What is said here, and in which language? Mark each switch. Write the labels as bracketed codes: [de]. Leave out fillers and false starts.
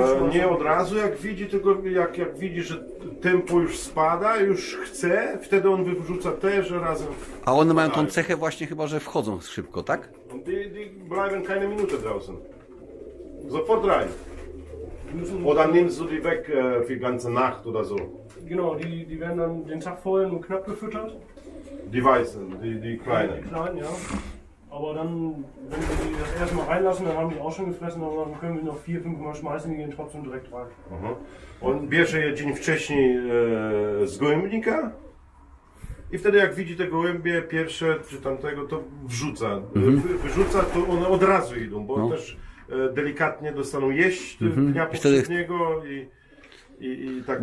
[pl] Nie od razu jak widzi, tylko jak widzi, że tempo już spada, już chce, wtedy on wyrzuca też razem. A one mają tą cechę właśnie chyba, że wchodzą szybko, tak? [de] Die bleiben keine Minute draußen. Sofort rein. Oder nimmst du die weg für die ganze Nacht oder so. Genau, die werden dann den Tag vorher nur knapp gefüttert. Die weißen, die kleinen. Die kleinen, ja. Aber dann, wenn wir die das erste Mal reinlassen, dann haben die auch schon gefressen, aber dann können wir noch 4-5 Mal schmeißen, die gehen trotzdem direkt rein. [pl] Und bierze je dzień wcześniej z gołębnika i wtedy jak widzi te gołębie pierwsze czy tamtego, to wrzuca. Wyrzuca, to one od razu idą, bo też delikatnie dostaną jeść dnia poprzedniego i tak.